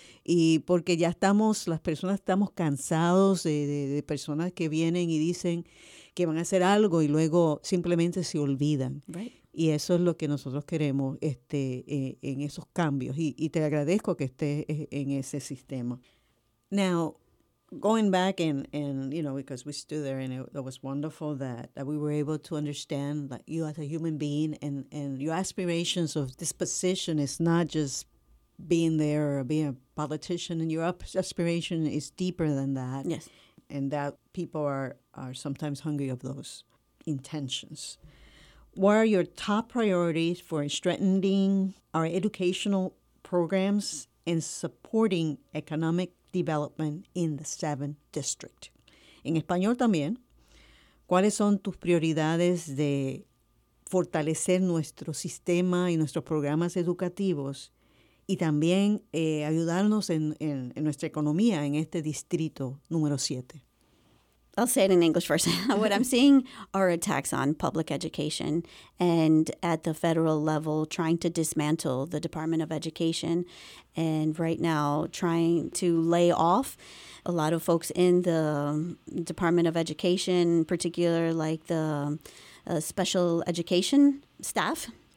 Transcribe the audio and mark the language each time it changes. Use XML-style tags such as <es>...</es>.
<es>Y porque ya las personas estamos cansados de personas que vienen y dicen que van a hacer algo y luego simplemente se olvidan.</es> <en>Right.</en> <es>Y eso es lo que nosotros queremos en esos cambios. Y te agradezco que estés en ese sistema.</es> <en>Now, going back and you know, because we stood there and it was wonderful that we were able to understand that you as a human being and your aspirations of this position is not just being there or being a politician, and your aspiration is deeper than that. Yes. And that people are sometimes hungry of those intentions. What are your top priorities for strengthening our educational programs and supporting economic development in the 7th district?</en> <es>En español también, ¿cuáles son tus prioridades de fortalecer nuestro sistema y nuestros programas educativos y también ayudarnos en nuestra economía en este distrito número 7?</es> <en>I'll say it in English first. What I'm seeing are attacks on public education and at the federal level, trying to dismantle the Department of Education and right now trying to lay off a lot of folks in the Department of Education, particular like the special education staff.</en>